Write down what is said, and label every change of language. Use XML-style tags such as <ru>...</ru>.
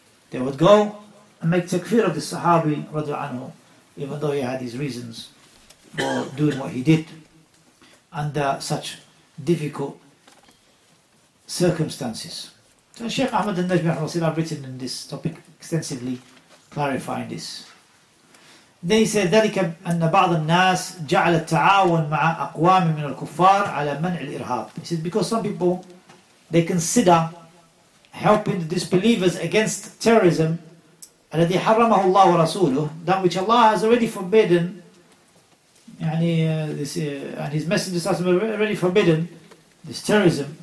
<en>They would go and make takfir of the Sahabi radiallahu anhu, even though he had his reasons for doing what he did under such difficult circumstances. So Shaykh Ahmad al-Najmi has written in this topic extensively, clarifying this. They say</en> <ar>ذلك أن بعض الناس جعل التعاون مع أقوام من الكفار على منع الإرهاب.</ar> <en>He says because some people, they consider helping the disbelievers against terrorism,</en> <ar>الذي حرمه الله ورسوله,</ar> <en>that which Allah has already forbidden, and His Messenger has already forbidden this terrorism.</en>